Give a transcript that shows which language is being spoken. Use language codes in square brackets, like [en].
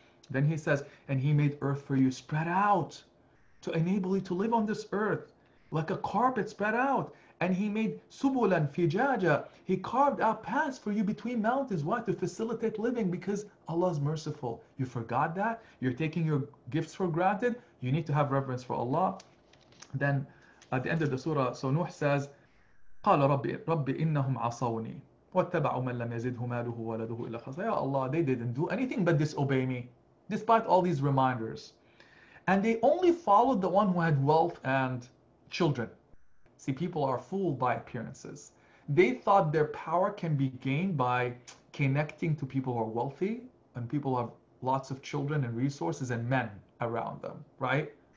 [en] Then he says, and he made earth for you spread out to enable you to live on this earth like a carpet spread out. And he made [ar] subulan fijaja. [en] He carved out paths for you between mountains. Why? To facilitate living, because Allah is merciful. You forgot that? You're taking your gifts for granted? You need to have reverence for Allah. Then at the end of the surah, so Nuh says, [ar] قَالَ رَبِّ إِنَّهُمْ عَصَوْنِي وَاتَّبَعُوا مَنْ لَمْ يَزِدْهُ مَالُهُ وَلَدُهُ إِلَّا خَسَرًا. [en] Ya Allah, they didn't do anything but disobey me, despite all these reminders. And they only followed the one who had wealth and children. See, people are fooled by appearances. They thought their power can be gained by connecting to people who are wealthy and people who have lots of children and resources and men around them, right?